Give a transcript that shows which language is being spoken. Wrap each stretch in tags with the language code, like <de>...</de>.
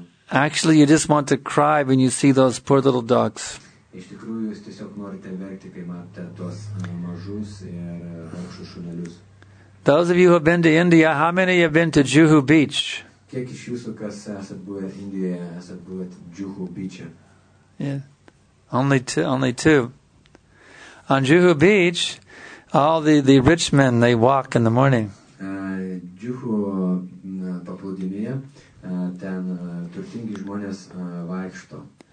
<en>Actually, you just want to cry when you see those poor little dogs.</en> <lt>Iš tikrųjų, jūs tiesiog norite verkti, kai matote tuos mažus ir vargšus šunelius.</lt> <en>Those of you who have been to India, how many have been to Juhu Beach?</en> <lt>Kiek iš jūsų, kas esat buvę Indijoje, esat buvę Juhu Beach?</lt> <en>Yeah. Only two. On Juhu Beach, all the rich men, they walk in the morning.</en> <lt>Juhu paplūdimyje, ten turtingi žmonės vaikšto.</lt>